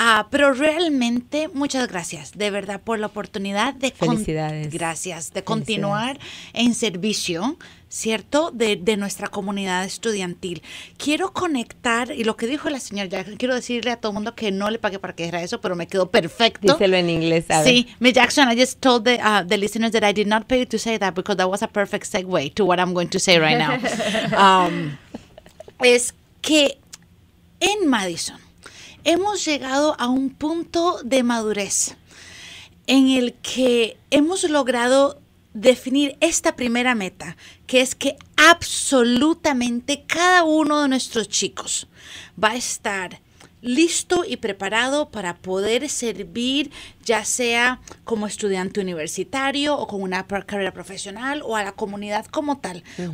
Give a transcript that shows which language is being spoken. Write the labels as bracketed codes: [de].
[es] Pero realmente, muchas gracias, de verdad, por la oportunidad de... Felicidades. Felicidades. Continuar en servicio, ¿cierto? De nuestra comunidad estudiantil. Quiero conectar, y lo que dijo la señora Jackson, quiero decirle a todo el mundo que no le pagué para que dijera eso, pero me quedó perfecto. Díselo en inglés, ¿sabes? [en] Sí, Miss Jackson, I just told the listeners that I did not pay you to say that because that was a perfect segue to what I'm going to say right now. [es] Es que en Madison hemos llegado a un punto de madurez en el que hemos logrado definir esta primera meta, que es que absolutamente cada uno de nuestros chicos va a estar listo y preparado para poder servir, ya sea como estudiante universitario o con una carrera profesional o a la comunidad como tal. Uh-huh.